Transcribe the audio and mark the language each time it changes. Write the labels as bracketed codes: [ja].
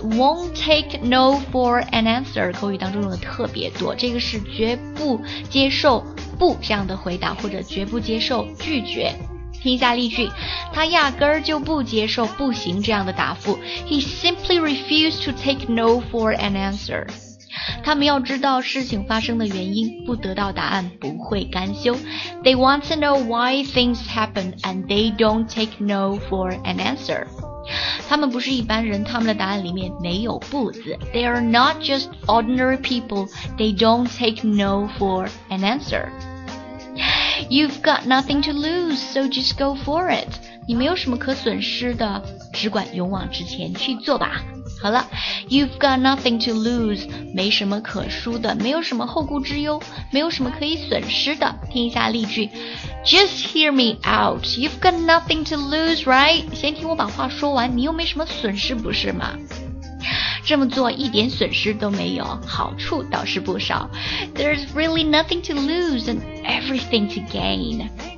[en] Won't take no for an answer， [zh] 口语当中用的特别多，这个是绝不接受不这样的回答，或者绝不接受拒绝。听一下例句。他压根儿就不接受不行这样的答复。 [en] He simply refused to take no for an answer。 [zh] 他们要知道事情发生的原因，不得到答案不会甘休。 [en] They want to know why things happen and they don't take no for an answer。 [zh] 他们不是一般人，他们的答案里面没有不字。 [en] They are not just ordinary people. They don't take no for an answer. You've got nothing to lose, so just go for it. [zh] 你没有什么可损失的，只管勇往直前去做吧。好了， [en] You've got nothing to lose， [zh] 没什么可输的，没有什么后顾之忧，没有什么可以损失的。听一下例句。 [en] Just hear me out. You've got nothing to lose, right? [zh] 先听我把话说完，你又没什么损失，不是吗？这么做一点损失都没有，好处倒是不少。 [en] There's really nothing to lose and everything to gain.